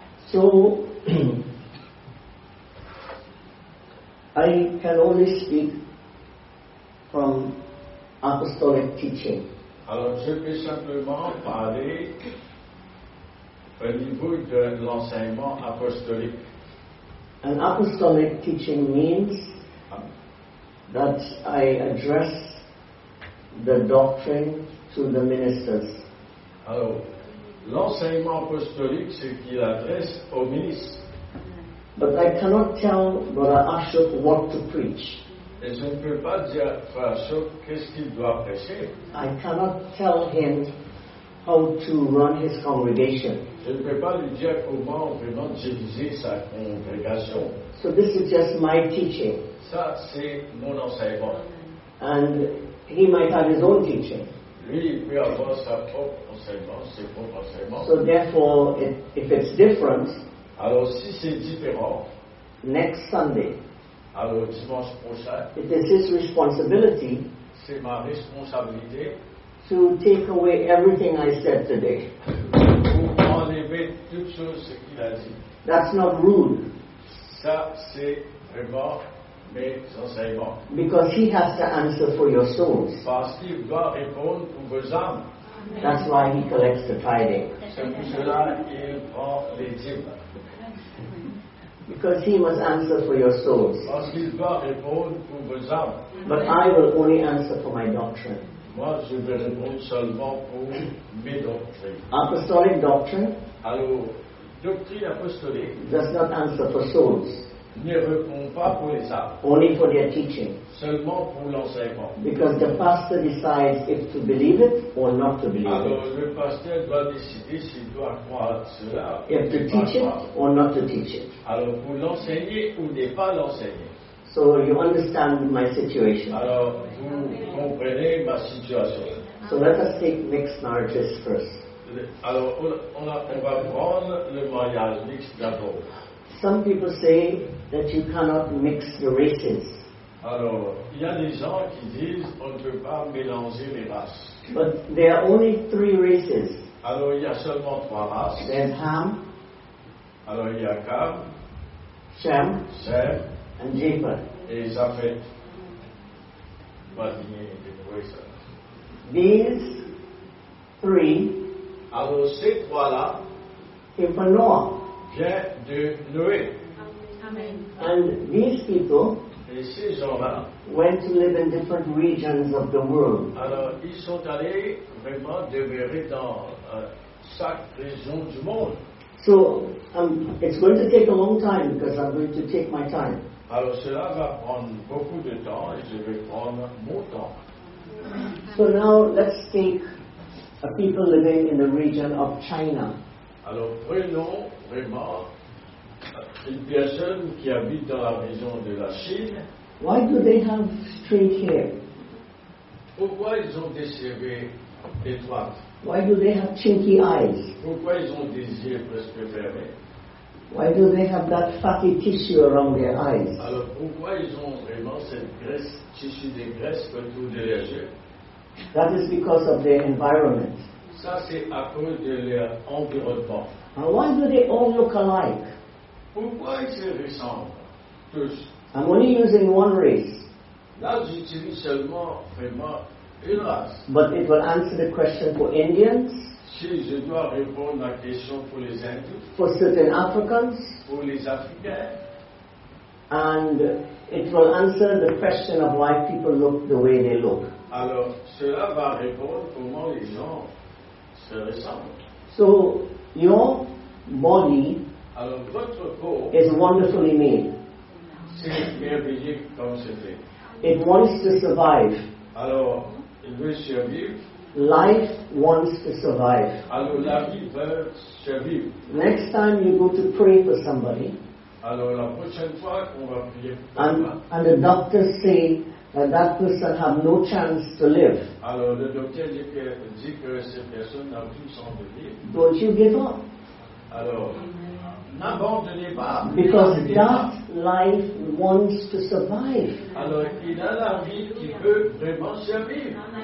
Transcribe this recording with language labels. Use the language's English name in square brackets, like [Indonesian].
[English] So, I can only speak from apostolic teaching. [French] Alors, je peux simplement parler au niveau de l'enseignement apostolique. [English] An apostolic teaching means that I address the doctrine to the ministers. [French] Alors, L'enseignement apostolique, c'est qu'il adresse aux ministres. [English] But I cannot tell Brother Ashok what to preach. [French] Et je ne peux pas dire Brother Ashok qu'est-ce qu'il doit prêcher. [English] I cannot tell him how to run his congregation. [French] Je ne peux pas lui dire comment vraiment diriger sa congrégation. [English] So this is just my teaching. [French] Ça, c'est mon enseignement. [English] And he might have his own teaching. [French] Lui, il peut avoir sa propre enseignement, ses propres enseignements. [English] So therefore, if it's different, [French] alors si c'est différent, [English] next Sunday, [French] alors dimanche prochain, [English] it is his responsibility, [French] c'est ma responsabilité, [English] to take away everything I said today. [French] Pour enlever toute chose ce qu'il a dit. [English] That's not rude. [French] Ça, c'est vraiment mes enseignements. [English] Because he has to answer for your souls. [French] Parce qu'il doit répondre pour vos âmes. [English] That's why he collects the tithing. [French] C'est pour cela qu'il prend les dîmes. [English] Because he must answer for your souls. [French] Parce qu'il doit répondre pour vos âmes. [English] But I will only answer for my doctrine. [French] Moi, je vais répondre seulement pour mes doctrines. [English] Apostolic doctrine. [French] Alors, doctrine apostolique. [English] Does not answer for souls. [French] Ne répond pas pour les âmes. [English] Only for their teaching. [French] Seulement pour l'enseignement. [English] Because the pastor decides if to believe it or not to believe [French] alors, [English] it. [French] Alors, le pasteur doit décider s'il doit croire cela. [English] If to teach it or not to teach it. [French] Alors, pour l'enseigner ou ne pas l'enseigner. [English] So you understand my situation. [French] Alors, vous comprenez ma situation. [English] So let us take mixed marriages first. [French] Alors, on va prendre le mariage mixte d'abord. [English] Some people say that you cannot mix the races. [French] Alors, il y a des gens qui disent on ne peut pas mélanger les races. [English] But there are only three races. [French] Alors, il y a seulement trois races. [English] There's Ham. [French] Alors, il y a Cam. [English] Shem. [French] Shem. [English] And Japheth. [French] Et Japheth. Badinier et Moïse. [English] These three. [French] Alors, ces trois-là. Et pour Noah. Vient de Noé. [English] Amen. And these people [French] et ces gens-là [English] went to live in different regions of the world. [French] Alors, ils sont allés vraiment demeurer dans chaque région du monde. [English] So, it's going to take a long time because I'm going to take my time. [French] Alors, cela va prendre beaucoup de temps et je vais prendre mon temps. [English] So now, let's take a people living in the region of China. [French] Alors, prenons vraiment une personne qui habite dans la région de la Chine. [English] Why do they have straight hair? [French] Pourquoi ils ont des cheveux étroits? [English] Why do they have chinky eyes? [French] Pourquoi ils ont des yeux presque fermés? [English] Why do they have that fatty tissue around their eyes? [French] Alors pourquoi ils ont vraiment cette graisse, tissu de graisse autour de leurs yeux? [English] That is because of their environment. [French] Ça c'est à cause de leur environnement. [English] And why do they all look alike? [French] Pourquoi ils se ressemblent tous? [English] I'm only using one race. [French] Là j'utilise seulement vraiment une race. [English] But it will answer the question for Indians. [French] Si je dois répondre à la question pour les Indiens, [English] for certain Africans, [French] pour les Africains, [English] and it will answer the question of why people look the way they look. [French] Alors, cela va répondre comment les gens se ressemblent. [English] So, your body, [French] alors, votre corps, [English] is wonderfully made. [French] C'est merveilleux comme c'est fait. [English] It wants to survive. [French] Alors, il veut survivre. [English] Life wants to survive. [French] Alors, la vie veut survivre. [English] Next time you go to pray for somebody, [French] alors, la prochaine fois, on va prier pour [English] and the doctors say that person has no chance to live, [French] alors, le docteur dit que cette personne n'a plus de chance de vivre. [English] Don't you give up. [French] Alors, n'abandonnez pas. [English] Because that life wants to survive. [French] Alors, il a la vie qui veut vraiment survivre.